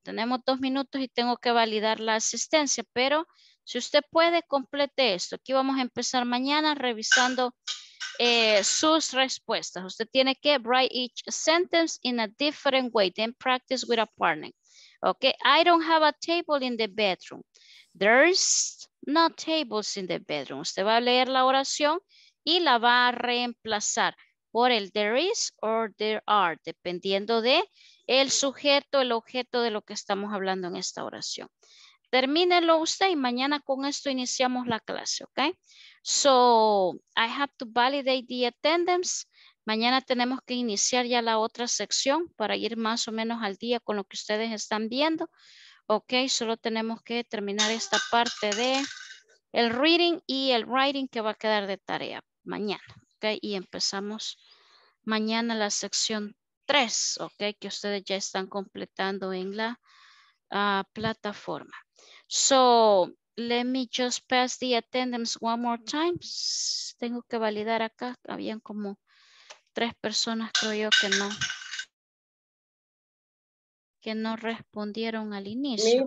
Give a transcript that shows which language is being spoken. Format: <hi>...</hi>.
<es>Tenemos 2 minutos y tengo que validar la asistencia, pero si usted puede, complete esto. Aquí vamos a empezar mañana revisando sus respuestas. Usted tiene que</es> <en>write each sentence in a different way, then practice with a partner. Okay, I don't have a table in the bedroom. There's no tables in the bedroom.</en> <es>Usted va a leer la oración y la va a reemplazar por el there is or there are, dependiendo de el sujeto, el objeto de lo que estamos hablando en esta oración. Termínelo usted y mañana con esto iniciamos la clase, ¿ok?</es> <en>So, I have to validate the attendance.</en> <es>Mañana tenemos que iniciar ya la otra sección para ir más o menos al día con lo que ustedes están viendo. Ok, solo tenemos que terminar esta parte de el reading y el writing que va a quedar de tarea mañana. Ok, y empezamos mañana la sección 3, ok, que ustedes ya están completando en la plataforma.</es> <en>So, let me just pass the attendance one more time.</en> <es>Tengo que validar acá, habían como 3 personas creo yo que no respondieron al inicio.</es>